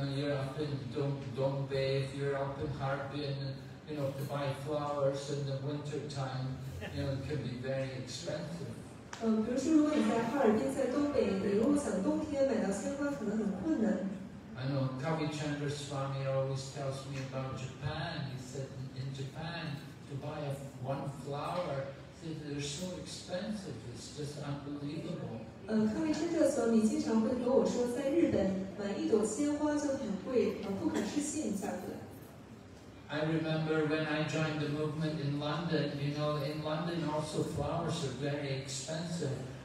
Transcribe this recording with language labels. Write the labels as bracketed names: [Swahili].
[English] you're up in Dongbei, if you're up in Harbin, you know, to buy flowers in the winter time, you know, it can be very expensive. [Chinese] 比如说如果你在哈尔滨，在东北，你如果想冬天买到鲜花，可能很困难。 [English] I know, Kavichandra Swami always tells me about Japan. He said in Japan, to buy one flower, they're so expensive, it's just unbelievable. I remember when I joined the movement in London, you know, in London also flowers are very expensive.